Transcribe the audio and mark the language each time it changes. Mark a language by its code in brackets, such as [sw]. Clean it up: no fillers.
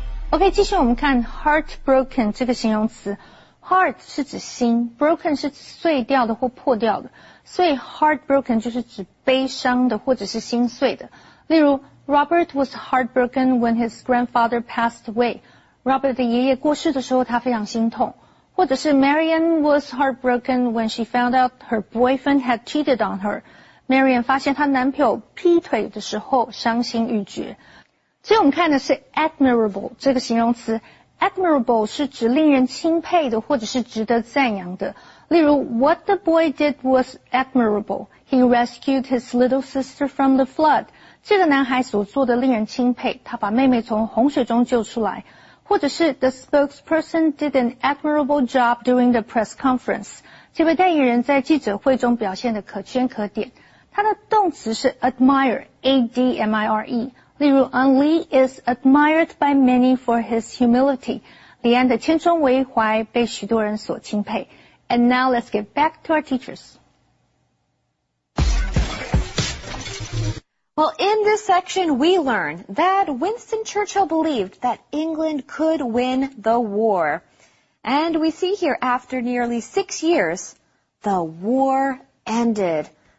[zh] OK, 继续我们看 heartbroken 这个形容词。Heart 是指心， broken 是指碎掉的或破掉的。所以 heartbroken 就是指悲伤的或者是心碎的。例如 [en] Robert was heartbroken when his grandfather passed away. [zh] Robert 的爷爷过世的时候他非常心痛。或者是 [en] Marianne was heartbroken when she found out her boyfriend had cheated on her. [zh] Marianne 发现她男朋友劈腿的时候伤心欲绝。所以我们看的是 admirable 这个形容词。admirable 是指令人钦佩的或者是值得赞扬的。例如 [en] what the boy did was admirable. He rescued his little sister from the flood. [zh] 这个男孩所做的令人钦佩，他把妹妹从洪水中救出来。或者是 [en] The spokesperson did an admirable job during the press conference. [zh] 这位代言人在记者会中表现得可圈可点。他的动词是 admire, A-D-M-I-R-E. 例如 [en] An Lee is admired by many for his humility. [zh] 李安的谦冲为怀被许多人所钦佩。 [en] And now let's get back to our teachers. Well, in this section, we learn that Winston Churchill believed that England could win the war. And we see here, after nearly 6 years, the war ended.